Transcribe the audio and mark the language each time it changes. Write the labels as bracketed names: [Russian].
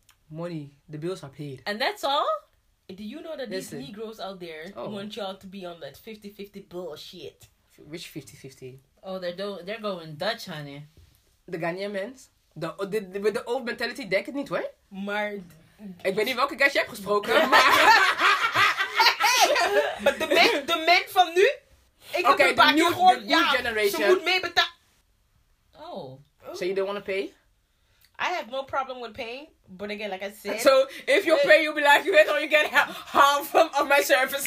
[English] Money. The bills are paid. And that's all? Do you know that Listen. These Negroes out there oh. want y'all to be on that 50-50 bullshit? Which 50-50? Oh, they're going Dutch, honey. The Ghanaian men? The with the old mentality, they can eat, right? [Dutch] Maar... Ik weet niet welke guys je hebt gesproken, maar... [English] But the men [Dutch] van nu, ik [English] okay, [Dutch] heb een paar keer gewoon, ja, [English] generation. [Dutch] Ze moet mee betalen. [English] Oh. Ooh. So you don't want to pay? I have no problem with paying, but again, like I said. So if you pay, you'll be like, you know, you get half of my services.